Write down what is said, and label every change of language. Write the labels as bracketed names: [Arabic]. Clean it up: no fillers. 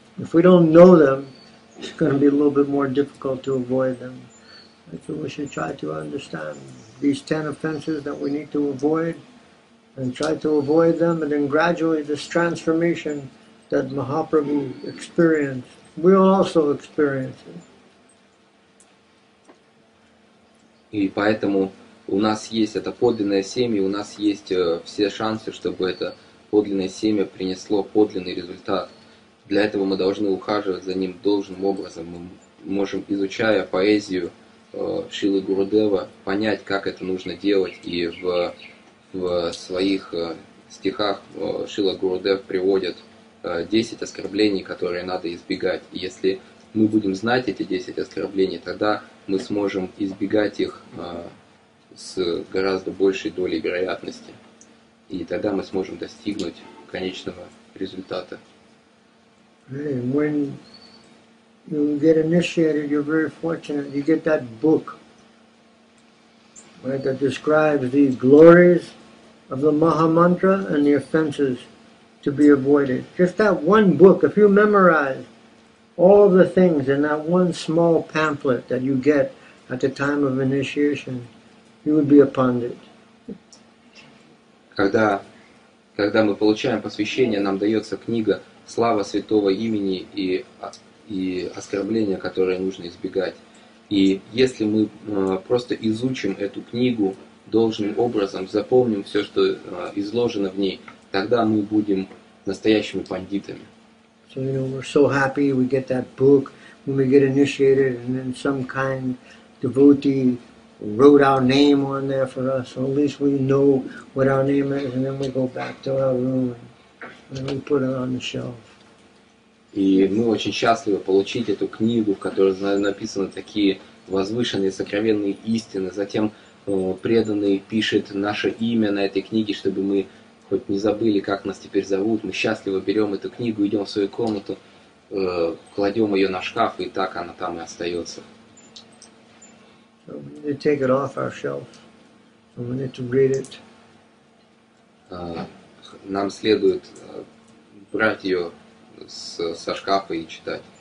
[English] If we don't know them, it's going to be a little bit more difficult to avoid them. So we should try to understand these 10 offenses that we need to avoid, and try to avoid them, and then gradually this transformation that Mahaprabhu experienced, we'll also experience it. [Russian] И поэтому у нас есть это подлинное семя, у нас есть все шансы, чтобы это подлинное семя принесло подлинный результат. Для этого мы должны ухаживать за ним должным образом. Мы можем, изучая поэзию Шилы Гурудева, понять, как это нужно делать. И в своих стихах Шила Гурудев приводит 10 оскорблений, которые надо избегать. И если мы будем знать эти 10 оскорблений, тогда мы сможем избегать их с гораздо большей долей вероятности. И тогда мы сможем достигнуть конечного результата. [English] Hey, when you get initiated, you're very fortunate. You get that book, right, that describes the glories of the Maha Mantra and the offenses to be avoided. Just that one book, if you memorize all the things in that one small pamphlet that you get at the time of initiation, you would be a pundit. [Russian] Когда мы получаем посвящение, нам дается книга «Слава святого имени и оскорбления, которые нужно избегать». И если мы просто изучим эту книгу должным образом, запомним все, что изложено в ней, тогда мы будем настоящими пандитами. [English] So, you know, we're so happy we get that book, when we get initiated, and then some kind devotee wrote our name on there for us, so at least we know what our name is, and then we go back to our room and we put it on the shelf. [Russian] И мы очень счастливы получить эту книгу, в которой написаны такие возвышенные сокровенные истины. Затем преданный пишет наше имя на этой книге, чтобы мы хоть не забыли, как нас теперь зовут. Мы счастливо берем эту книгу, идем в свою комнату, кладем ее на шкаф, и так она там и остается. [English] So we need to take it off our shelf, and we need to read it. [Russian] Нам следует брать ее со шкафа и читать.